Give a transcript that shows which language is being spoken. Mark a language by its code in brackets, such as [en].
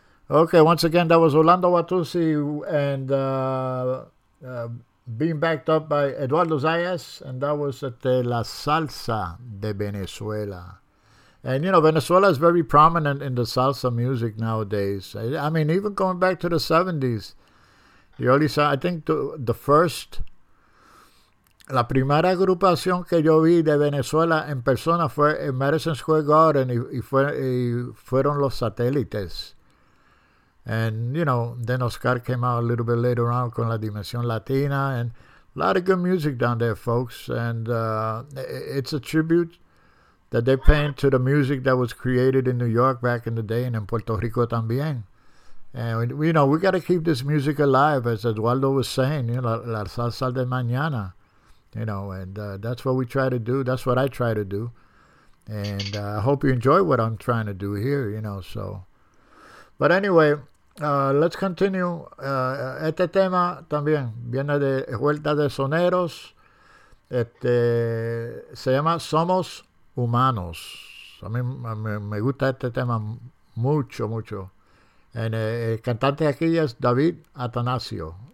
[en] Okay, once again, that was Orlando Watusi and being backed up by Eduardo Zayas, and that was at La Salsa de Venezuela. And, you know, Venezuela is very prominent in the salsa music nowadays. I mean, even going back to the 70s, the early, I think the first [es] La primera agrupación que yo vi de Venezuela en persona fue en Madison Square Garden y fueron los Satélites. [en] And, you know, then Oscar came out a little bit later on con la Dimensión Latina and a lot of good music down there, folks. And it's a tribute that they're paying to the music that was created in New York back in the day and in Puerto Rico también. And, you know, we got to keep this music alive, as Eduardo was saying, you know, [es] la salsa de mañana. [en] You know, and that's what we try to do. That's what I try to do. And I hope you enjoy what I'm trying to do here, you know, so. But anyway, let's continue. [es] Este tema también viene de Vuelta de Soneros. Se llama Somos Humanos. A mí me gusta este tema mucho, mucho. El cantante aquí es David Atanasio.